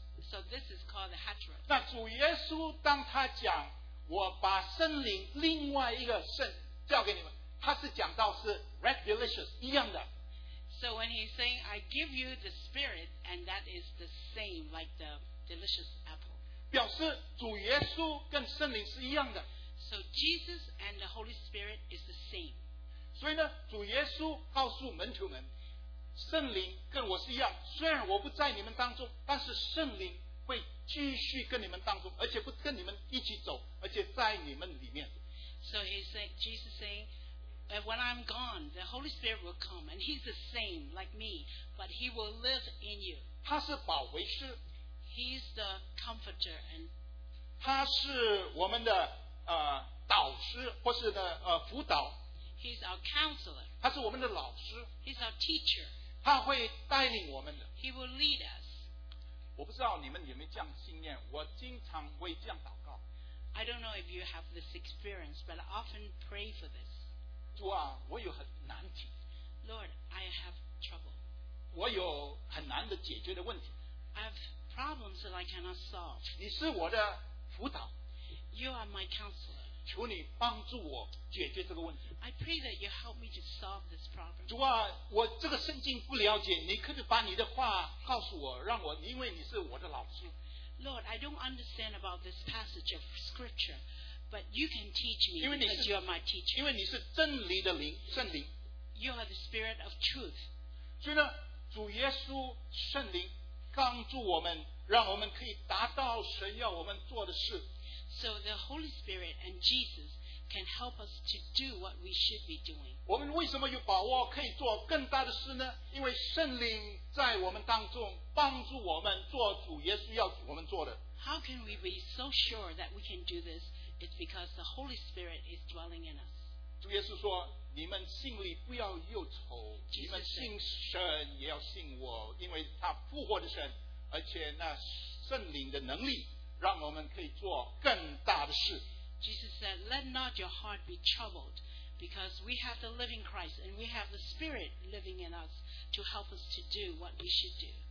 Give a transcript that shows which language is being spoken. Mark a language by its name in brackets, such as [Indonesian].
[English] So this is called the heteros. [Chinese] 那主耶稣当他讲，我把圣灵另外一个圣交给你们，他是讲到是 [English] red delicious [Chinese] 一样的。 [English] So when he's saying, I give you the spirit, and that is the same like the delicious apple. [Chinese] 表示主耶稣跟圣灵是一样的。 [English] So Jesus and the Holy Spirit is the same. [Chinese] 所以呢，主耶稣告诉门徒们，圣灵跟我是一样，虽然我不在你们当中，但是圣灵会继续跟你们当中，而且不跟你们一起走，而且在你们里面。 [English] So Jesus saying, when I'm gone, the Holy Spirit will come, and he's the same like me, but he will live in you. [Chinese] 他是保惠师。 [English] He's the comforter and [Chinese] 他是我们的导师或是的辅导。 [English] He's our counselor. [Chinese] 他是我们的老师。 [English] He's our teacher. [Chinese] 他会带领我们的。 [English] He will lead us. [Chinese] 我不知道你们有没有这样的信念，我经常为这样祷告。 [English] I don't know if you have this experience, but I often pray for this. [Chinese] 主啊，我有很难题。 [English] Lord, I have trouble. [Chinese] 我有很难的解决的问题。 [English] I have problems that I cannot solve. [Chinese] 你是我的辅导。 [English] You are my counselor. [Chinese] 求你帮助我解决这个问题。 [English] I pray that you help me to solve this problem. [Chinese] 主啊，我这个圣经不了解，你可以把你的话告诉我，让我，因为你是我的老师。 [English] Lord, I don't understand about this passage of scripture, but you can teach me because you are my teacher. [Chinese] 因为你是真理的灵，圣灵。 [English] You are the spirit of truth. [Chinese] 所以呢，主耶稣圣灵帮助我们，让我们可以达到神要我们做的事。 [English] So the Holy Spirit and Jesus can help us to do what we should be doing. [Chinese] 我们为什么有把握可以做更大的事呢？因为圣灵在我们当中帮助我们做主耶稣要我们做的。 [English] How can we be so sure that we can do this? It's because the Holy Spirit is dwelling in us. [Chinese] 主耶稣说，你们心里不要忧愁，你们信神也要信我，因为他复活的神，而且那圣灵的能力让我们可以做更大的事。 [English] Jesus said, let not your heart be troubled, because we have the living Christ and we have the Spirit living in us to help us to do what we should do.